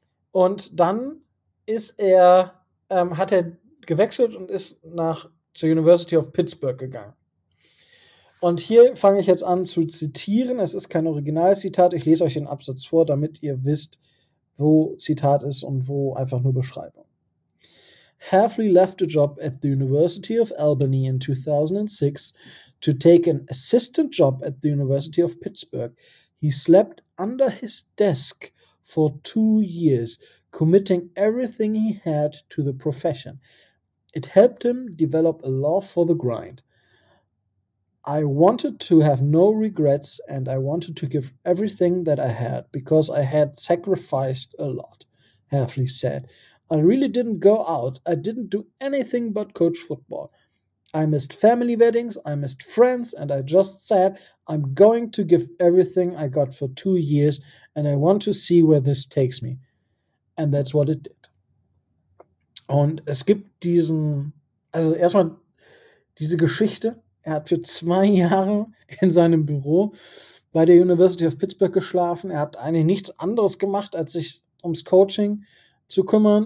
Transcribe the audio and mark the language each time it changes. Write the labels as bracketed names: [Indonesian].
[German] Und dann ist er, hat er gewechselt und ist nach zur University of Pittsburgh gegangen. Und hier fange ich jetzt an zu zitieren. Es ist kein Originalzitat. Ich lese euch den Absatz vor, damit ihr wisst, wo Zitat ist und wo einfach nur Beschreibung. [English] Hafley left a job at the University of Albany in 2006 to take an assistant job at the University of Pittsburgh. He slept under his desk for 2 years, committing everything he had to the profession. It helped him develop a love for the grind. I wanted to have no regrets and I wanted to give everything that I had because I had sacrificed a lot, Hafley said. I really didn't go out. I didn't do anything but coach football. I missed family weddings, I missed friends, and I just said, I'm going to give everything I got for 2 years and I want to see where this takes me. And that's what it did. [German] Und es gibt diesen, also erstmal diese Geschichte. Er hat für 2 Jahre in seinem Büro bei der University of Pittsburgh geschlafen. Er hat eigentlich nichts anderes gemacht, als sich ums Coaching zu kümmern.